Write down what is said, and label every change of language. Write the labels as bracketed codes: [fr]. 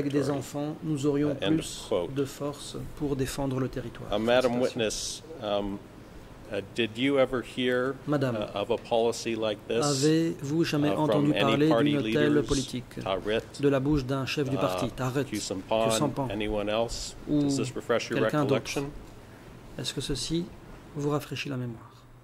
[fr] Avec des enfants, nous aurions plus de force pour défendre le territoire. [en] Madam Witness, did you ever hear of a policy like this? [fr] Avez-vous jamais entendu parler d'une telle politique de la bouche d'un chef du parti, Taret, [en] Kyusampan, anyone else? Does this refresh your recollection? [fr] Est-ce que ceci vous rafraîchit la mémoire?